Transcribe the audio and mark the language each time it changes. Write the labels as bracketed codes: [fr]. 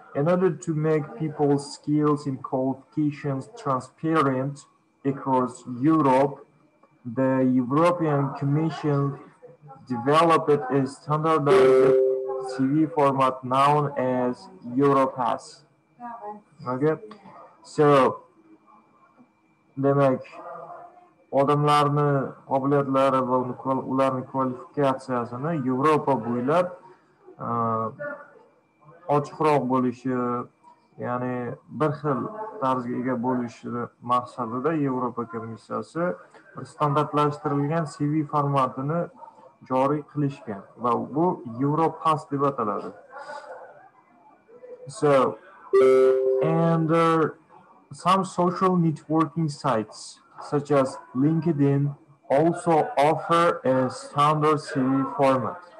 [en] In order to make people's skills and qualifications transparent across Europe, the European Commission developed a standardized CV format known as Europass. [uz] Okay, so demak, odamlarni qobiliyatlari va ularning kvalifikatsiyasini Yevropa bo'ylab ochiqroq bo'lishi, ya'ni bir xil tarzga ega bo'lishi maqsadida Yevropa komissiyasi standartlashtirilgan CV formatini joriy qilishgan va bu Europass deb ataladi. [en] So, and some social networking sites such as LinkedIn also offer a standard CV format.